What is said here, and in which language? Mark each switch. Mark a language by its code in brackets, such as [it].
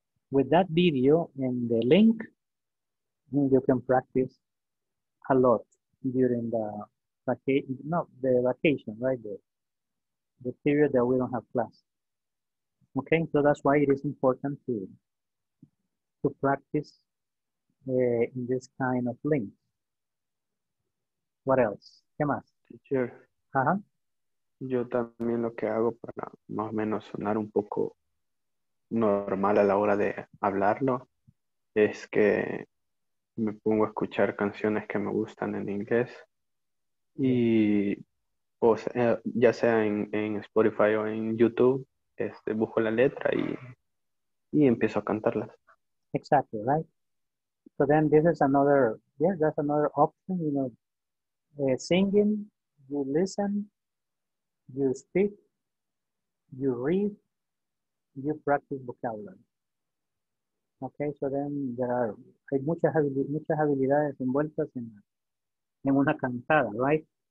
[en] With that video and the link, you can practice a lot during the vacation, not the vacation, right? The period that we don't have class. Okay, so that's why it is important to practice in this kind of link. What else? [es] ¿Qué más? [en] Teacher. Uh-huh. [es] Yo también lo que hago para más o menos sonar un poco normal a la hora de hablarlo es que me pongo a escuchar canciones que me gustan en inglés y pues, ya sea en Spotify o en YouTube, busco la letra y empiezo a cantarlas. [en] Exactly, right? So then this is another, yeah, that's another option, you know, singing, you listen, you speak, you read, you practice vocabulary. Okay, so then there are [es] muchas habilidades envueltas en una cantada, [en] right?